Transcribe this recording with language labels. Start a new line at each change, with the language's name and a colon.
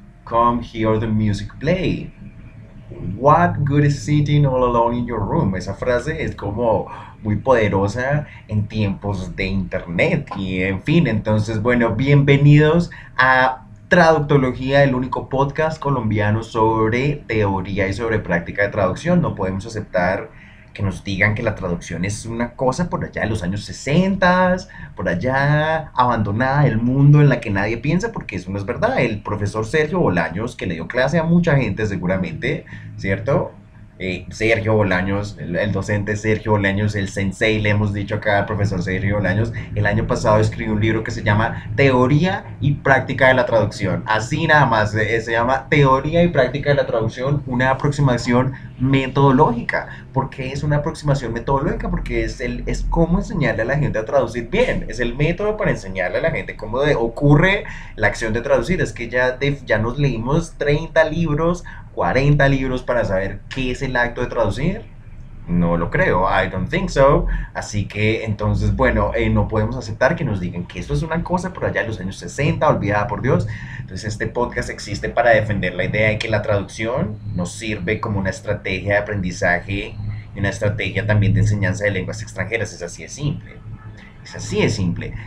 English: Come hear the music play. What good is sitting all alone in your room?
Spanish: Esa frase es como muy poderosa en tiempos de internet. Y en fin, entonces, bueno, bienvenidos a Traductología, el único podcast colombiano sobre teoría y sobre práctica de traducción. No podemos aceptar que nos digan que la traducción es una cosa por allá de los años 60, por allá abandonada del mundo en la que nadie piensa, porque eso no es verdad. El profesor Sergio Bolaños, que le dio clase a mucha gente seguramente, ¿cierto? Sergio Bolaños, el docente Sergio Bolaños, el sensei, le hemos dicho acá al profesor Sergio Bolaños, el año pasado escribió un libro que se llama Teoría y Práctica de la Traducción. Así nada más, se llama Teoría y Práctica de la Traducción, una aproximación metodológica. ¿Por qué es una aproximación metodológica? Porque es cómo enseñarle a la gente a traducir bien. Es el método para enseñarle a la gente cómo ocurre la acción de traducir. Es que ya nos leímos 30 libros, 40 libros para saber qué es el acto de traducir. No lo creo,
English: I don't think so.
Spanish: Así que entonces, bueno, no podemos aceptar que nos digan que esto es una cosa por allá de los años 60, olvidada por Dios. Entonces, este podcast existe para defender la idea de que la traducción nos sirve como una estrategia de aprendizaje y una estrategia también de enseñanza de lenguas extranjeras. Es así de simple. Es así de simple.